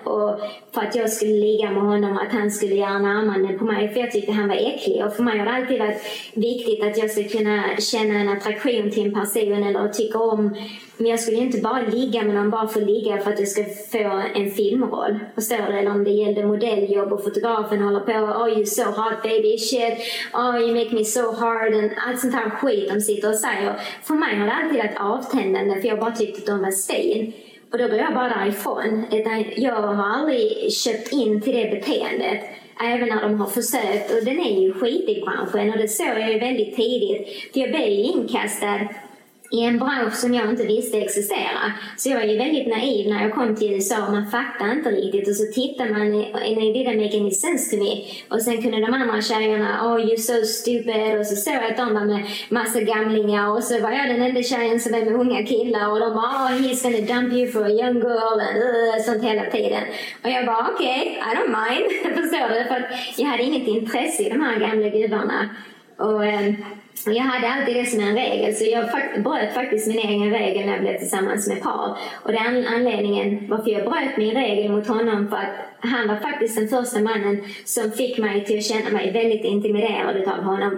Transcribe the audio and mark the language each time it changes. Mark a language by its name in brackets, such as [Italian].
[Swedish] Och för att jag skulle ligga med honom, att han skulle göra närmanden på mig. För jag tyckte han var äcklig. Och för mig har det alltid varit viktigt att jag skulle kunna känna en attraktion till en person eller tycka om. Men jag skulle inte bara ligga med någon bara för att ligga för att jag ska få en filmroll. Förstår du? Eller om det gällde modelljobb och fotografen håller på. [English] Oh, you're so hot baby, shit. Oh, you make me so hard. [Swedish] And allt sånt här skit de sitter och säger. För mig har det alltid varit avtändande, för jag bara tyckte att de var stein. Och då går jag bara därifrån. Jag har aldrig köpt in till det beteendet. Även när de har försökt. Och den är ju skit i branschen. Och det såg jag ju väldigt tidigt. För jag blev inkastad i en bransch som jag inte visste existera. Så jag var ju väldigt naiv när jag kom till USA, och man fattade inte riktigt. Och så tittade man, [English] and it didn't make any sense to me. [Swedish] Och sen kunde de andra tjejerna, [English] oh you're so stupid. [Swedish] Och så såg jag att de var med massa gamlingar. Och så var jag den enda tjejen som var med unga killar. Och de bara, [English] oh he's gonna dump you for a young girl. [Swedish] And sånt hela tiden. Och jag bara, okej, [English] okay, I don't mind. [Swedish] Förstår du? För att jag hade inget intresse i de här gamla gubbarna. Och jag hade alltid det som en regel, så jag bröt faktiskt min egen regel när jag blev tillsammans med Paul. Och den anledningen varför jag bröt min regel mot honom, för att han var faktiskt den första mannen som fick mig till att känna mig väldigt intimiderad av honom.